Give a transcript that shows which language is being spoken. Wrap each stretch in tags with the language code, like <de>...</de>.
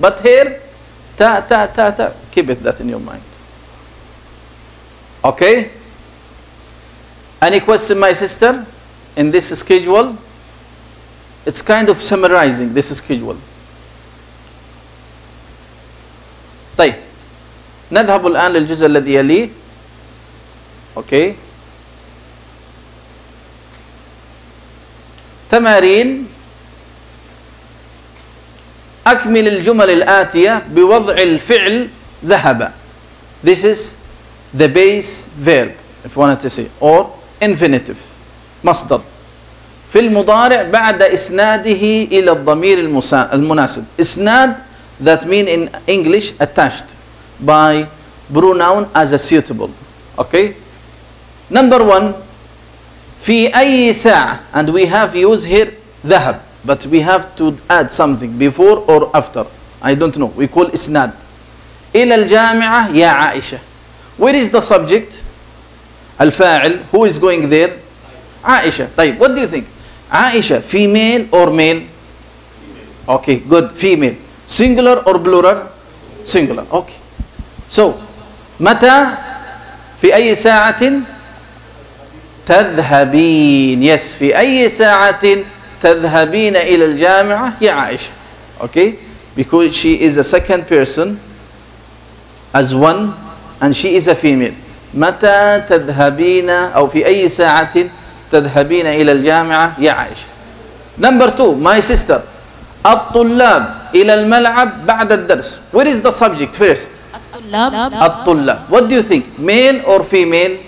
<en>But here ta keep it that in your mind. Okay. Any question, my sister? In this schedule, it's kind of summarizing this schedule.</en> <ar>طيب نذهب الآن للجزء الذي يليه.</ar> <en>Okay.</en> <ar>تمارين. أكمل الجمل الآتية بوضع الفعل ذهب.</ar> <en>This is the base verb, if you wanted to say, or infinitive, مصدر.</en> <ar>في المضارع بعد إسناده إلى الضمير المناسب.</ar> <en>إسناد, that mean in English, attached by pronoun as a suitable. Okay? Number one,</en> <ar>في أي ساعة,</ar> <en>and we have used here ذهب, but we have to add something before or after. I don't know. We call إسناد.</en> <ar>إلى الجامعة يا عائشة.</ar> <en>Where is the subject? الفاعل. Who is going there? عائشة.</en> <ar>طيب,</ar> <en>what do you think? عائشة, female or male? Okay, good. Female. Singular or plural? Singular. Okay. So,</en> <ar>متى؟ في أي ساعة؟ تذهبين.</ar> <en>Yes,</en> <ar>في أي ساعة تذهبين إلى الجامعة يا عائشة.</ar> <en>Okay, because she is a second person as one, and she is a female.</en> <ar>متى تذهبين أو في أي ساعة تذهبين إلى الجامعة يا عائشة.</ar> <en>Number two, my sister.</en> <ar>الطلاب إلى الملعب بعد الدرس.</ar> <en>Where is the subject first?</en> <ar>الطلاب.</ar> <en>الطلاب. What do you think? Male or female?</en>